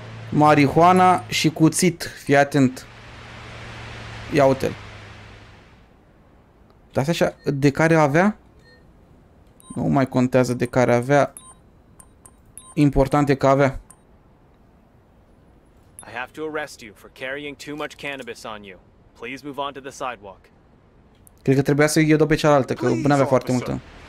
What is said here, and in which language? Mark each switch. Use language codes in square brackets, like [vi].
[ro] Marihuana și cuțit. Fii atent. Ia uite-l. Dar așa, de care avea? Nu mai contează de care avea. Important e că avea. [en] I have to arrest you for carrying too much cannabis on you. Please move on to the sidewalk. [ro] Cred că trebuia să iau pe cealaltă, că nu avea foarte multă.